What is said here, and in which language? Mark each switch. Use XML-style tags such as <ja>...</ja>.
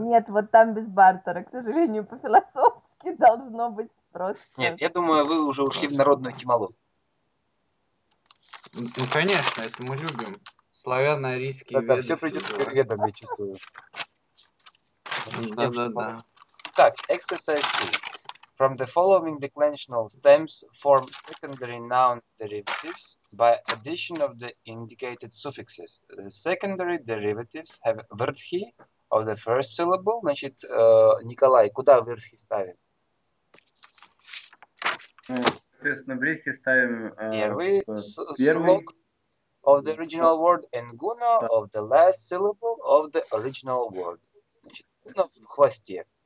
<ru>Нет, вот там без бартера, к сожалению, по-философски должно быть просто. Нет, я думаю, вы уже ушли просто в народную этимологию. Ну, конечно, это мы любим. Славяно-арийские веды. Да-да, все придет к ведам, я чувствую. Да-да-да.</ru> <en>Так, exercise 2. From the following declensional stems form secondary noun derivatives by addition of the indicated suffixes. The secondary derivatives have vrthi of the first syllable.</en> <ru>Значит, Николай, куда vrthi ставим? Ну, соответственно, vrthi ставим первый слог</ru> <en>of the original word and guna of the last syllable of the original word.</en> <ru>Значит, guna в хвосте.</ru>